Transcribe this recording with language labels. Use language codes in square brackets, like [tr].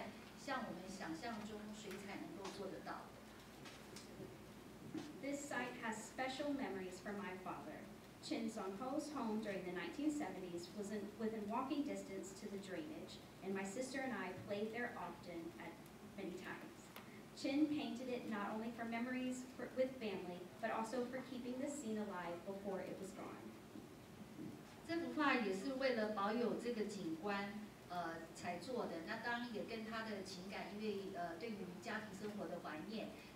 [zh] 主题是以左边这一幅哈，主题是以陈荣和的情感为主。那我很喜欢这个现代建筑物的横向的笔触，它的线条非常的锋利，不太像我们想象中水彩能够做得到。 [en] This site has special memories for my father. Chin Song Ho's home during the 1970s was within walking distance to the drainage, and my sister and I played there often at many times. Chin painted it not only for memories with family, but also for keeping the scene alive before it was gone. [zh] 这幅画也是为了保有这个景观，才做的。那当然也跟他的情感，因为对于家庭生活的怀念。